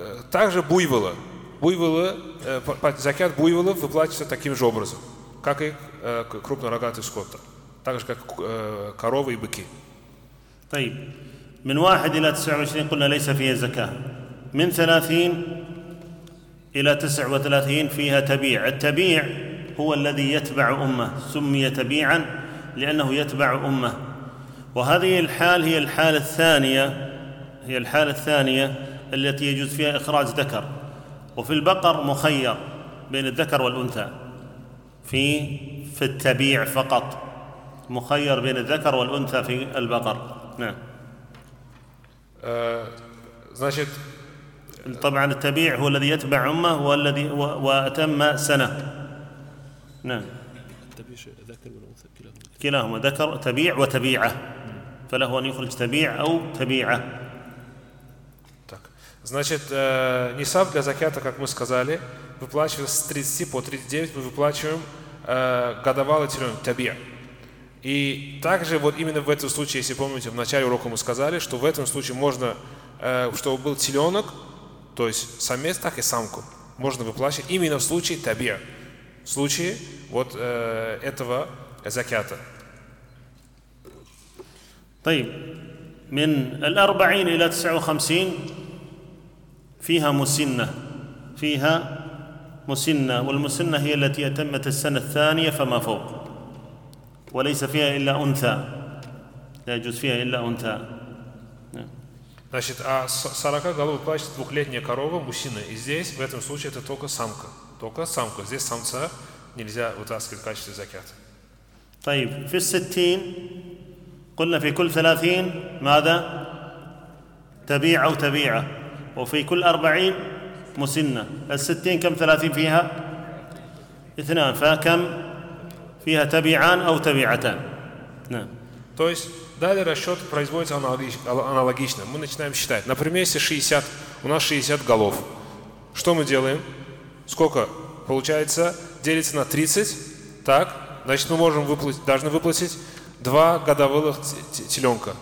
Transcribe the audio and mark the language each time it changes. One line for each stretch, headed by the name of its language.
Russian: также буйволы زكاة буйволов выплачивается таким же образом как и крупнорогатый скот так же как коровы и быки.
Arabic: طيب من 1 إلى 29 قلنا ليس فيها زكاة من 30 إلى 39 فيها تبيع التبيع هو الذي يتبع أمة سمي تبيعا لأنه يتبع أمة وهذه الحال هي الحالة الثانية هي الحالة الثانية التي يجوز فيها إخراج ذكر وفي البقر مخير بين الذكر والأنثى في التبيع فقط مخير بين الذكر والأنثى في البقر. نعم.
Russian: значит
Arabic: طبعا التبيع هو الذي يتبع أمه والذي وأتم سنة. نعم. التبيع ذكر والأنثى كلاهما ذكر تبيع وتبيعه فله أن يخرج تبيع أو تبيعه.
Russian: так. значит نصاب для زكاة как мы сказали выплачивается с 30 по 39 мы выплачиваем годовалый теленок تبيع. И также вот именно в этом случае если помните в начале урока мы сказали что в этом случае можно чтобы был теленок То есть самец, так и самку можно выплачивать именно в случае табия, в случае вот этого закята.
Arabic: طيب من 40 إلى 59 فيها مسنة فيها مسنة والمسنة هي التي أتمت السنة الثانية فما فوق وليس فيها إلا أنثى لا يجوز فيها إلا أنثى.
Russian: Значит, а 40 голов выплачивает двухлетняя корова, мусина. И здесь, в этом случае, это только самка. Только самка. Здесь самца нельзя вытаскивать в качестве закята.
Arabic: طيب, في 60 قلنا في كل 30 ماذا؟ تبيعة وتبيعة، وفي كل 40 مسنة. 60 كم 30 فيها؟ 2، فكم فيها تبيعان أو تبيعتان؟ نعم.
Russian: То есть далее расчет производится аналогично. Мы начинаем считать. Например, если 60, у нас 60 голов. Что мы делаем? Сколько получается? Делится на 30. Так, значит, мы можем выплатить, должны выплатить 2 годовых теленка.